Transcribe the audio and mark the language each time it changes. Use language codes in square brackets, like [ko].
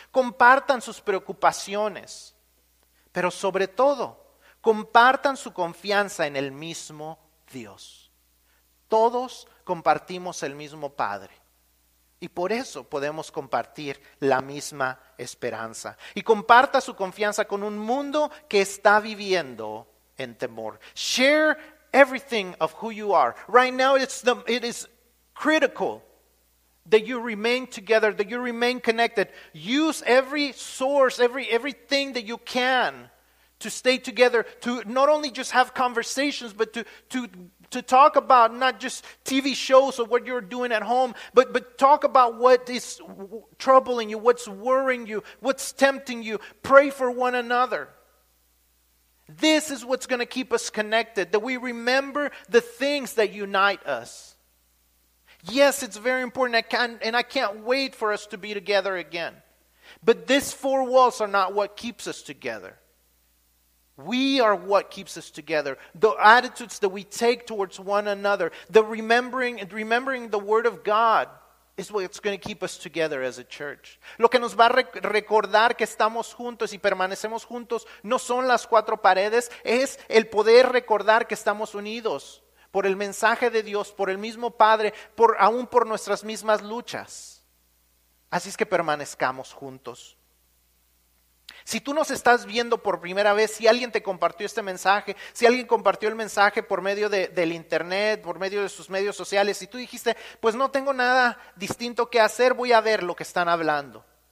[es] Compartan sus preocupaciones. Pero sobre todo, compartan su confianza en el mismo Dios. Todos compartimos el mismo Padre. Y por eso podemos compartir la misma esperanza. Y comparta su confianza con un mundo que está viviendo en temor. [en] Share everything of who you are. Right now it is critical that you remain together, that you remain connected. Use every source, everything that you can to stay together, to not only just have conversations, but to talk about not just TV shows or what you're doing at home, but talk about what is troubling you, what's worrying you, what's tempting you. Pray for one another. This is what's going to keep us connected, that we remember the things that unite us. Yes, it's very important. I can't wait for us to be together again. But these four walls are not what keeps us together. We are what keeps us together. The attitudes that we take towards one another, the remembering the word of God is what's going to keep us together as a church. [es] Lo que nos va a recordar que estamos juntos y permanecemos juntos no son las cuatro paredes, es el poder recordar que estamos unidos por el mensaje de Dios, por el mismo Padre, aún por nuestras mismas luchas. Así es que permanezcamos juntos. Si tú nos estás viendo por primera vez, si alguien te compartió este mensaje, si alguien compartió el mensaje por medio del internet, por medio de sus medios sociales, y tú dijiste, pues no tengo nada distinto que hacer, voy a ver lo que están hablando.